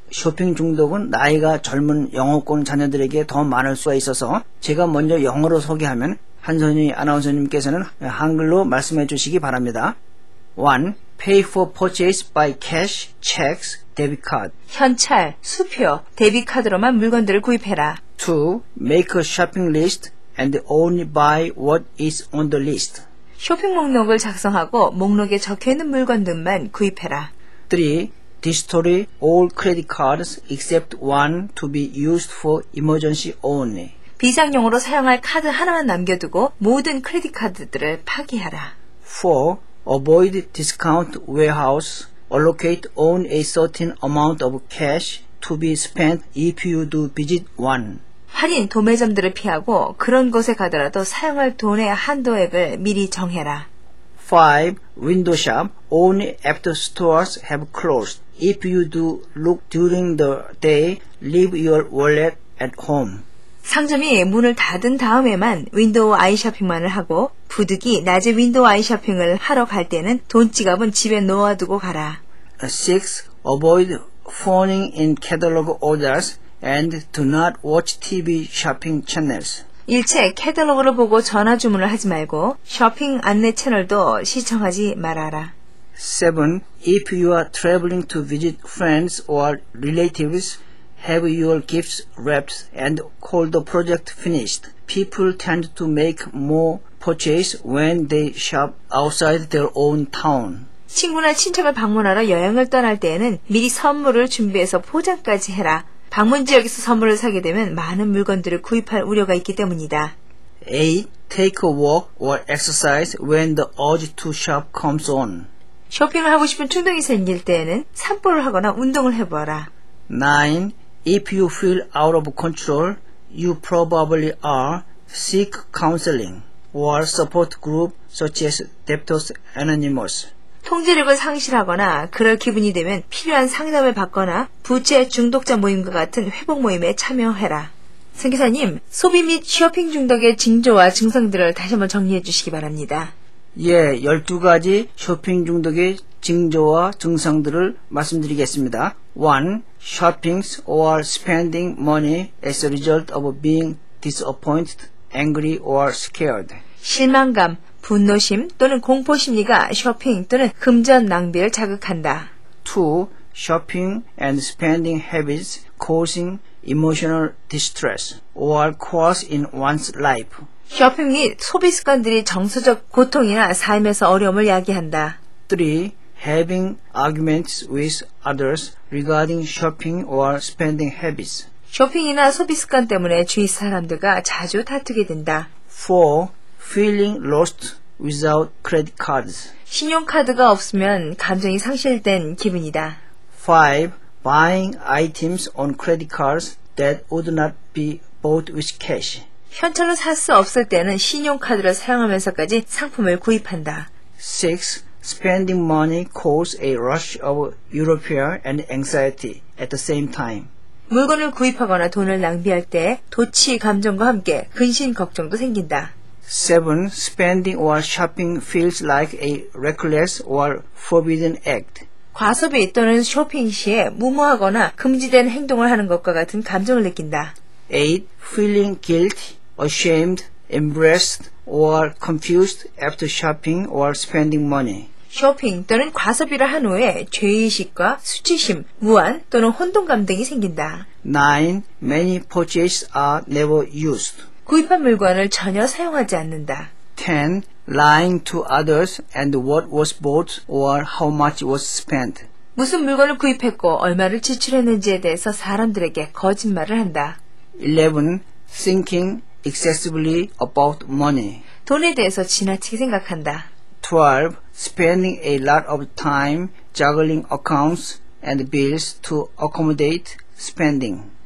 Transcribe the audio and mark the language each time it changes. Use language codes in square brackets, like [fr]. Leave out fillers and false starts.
[ko] 쇼핑 중독은 나이가 젊은 영어권 자녀들에게 더 많을 수가 있어서 제가 먼저 영어로 소개하면 한선희 아나운서님께서는 한글로 말씀해 주시기 바랍니다. [en] 1. Pay for purchase by cash, checks, debit card. [ko] 현찰, 수표, 데비카드로만 물건들을 구입해라. 2. [en] Make a shopping list and only buy what is on the list. [ko] 쇼핑 목록을 작성하고 목록에 적혀있는 물건 등만 구입해라. [en] 3. Destroy all credit cards except one to be used for emergency only. [ko] 비상용으로 사용할 카드 하나만 남겨두고 모든 크레딧 카드들을 파기하라. [en] 4. Avoid discount warehouse. Allocate only a certain amount of cash to be spent if you do visit one. [ko] 할인 도매점들을 피하고 그런 곳에 가더라도 사용할 돈의 한도액을 미리 정해라. [en] 5. Window shop only after stores have closed. If you do look during the day, leave your wallet at home. [ko] 상점이 문을 닫은 다음에만 윈도우 아이 쇼핑만을 하고 부득이 낮에 윈도우 아이 쇼핑을 하러 갈 때는 돈지갑은 집에 놓아두고 가라. 6. [en] Avoid phoning in catalog orders and do not watch TV shopping channels. [ko] 일체 캐탈로그를 보고 전화 주문을 하지 말고 쇼핑 안내 채널도 시청하지 말아라. 7. [en] If you are traveling to visit friends or relatives, have your gifts wrapped and call the project finished. People tend to make more purchase when they shop outside their own town. [ko] 친구나 친척을 방문하러 여행을 떠날 때에는 미리 선물을 준비해서 포장까지 해라. 방문 지역에서 선물을 사게 되면 많은 물건들을 구입할 우려가 있기 때문이다. 8. [en] Take a walk or exercise when the urge to shop comes on. [ko] 쇼핑을 하고 싶은 충동이 생길 때에는 산보를 하거나 운동을 해보아라. 9. [en] If you feel out of control, you probably are. Seek counseling or support group such as Debtors Anonymous. [ko] 통제력을 상실하거나 그럴 기분이 되면 필요한 상담을 받거나 부채 중독자 모임과 같은 회복 모임에 참여해라. 선교사님, 소비 및 쇼핑 중독의 징조와 증상들을 다시 한번 정리해 주시기 바랍니다. 예, 12가지 쇼핑 중독의 징조와 증상들을 말씀드리겠습니다. [en] 1. Shopping or spending money as a result of being disappointed, angry or scared. [ko] 실망감, 분노심 또는 공포심리가 쇼핑 또는 금전 낭비를 자극한다. [en] 2. Shopping and spending habits causing emotional distress or chaos in one's life. [ko] 쇼핑이 소비 습관들이 정서적 고통이나 삶에서 어려움을 야기한다. 3. [en] Having arguments with others regarding shopping or spending habits. [ko] 쇼핑이나 소비 습관 때문에 주위 사람들과 자주 다투게 된다. [en] 4. Feeling lost without credit cards. [ko] 신용카드가 없으면 감정이 상실된 기분이다. 5. [en] Buying items on credit cards that would not be bought with cash. [ko] 현찰을 살 수 없을 때는 신용카드를 사용하면서까지 상품을 구입한다. 6. [en] Spending money causes a rush of euphoria and anxiety at the same time. [ko] 물건을 구입하거나 돈을 낭비할 때 도취 감정과 함께 근심 걱정도 생긴다. [en] 7. Spending or shopping feels like a reckless or forbidden act. [ko] 과소비 또는 쇼핑 시에 무모하거나 금지된 행동을 하는 것과 같은 감정을 느낀다. [en] 8. Feeling guilt, ashamed, embarrassed or confused after shopping or spending money. [ko] 쇼핑 또는 과소비를 한 후에 죄의식과 수치심, 무안 또는 혼동감 등이 생긴다. [en] 9. Many purchases are never used. [ko] 구입한 물건을 전혀 사용하지 않는다. 10. [en] Lying to others and what was bought or how much was spent. [ko] 무슨 물건을 구입했고 얼마를 지출했는지에 대해서 사람들에게 거짓말을 한다. [en] 11. Thinking excessively about money. [ko] 돈에 대해서 지나치게 생각한다. [en] 12. Spending a lot of time juggling accounts and bills to accommodate spending.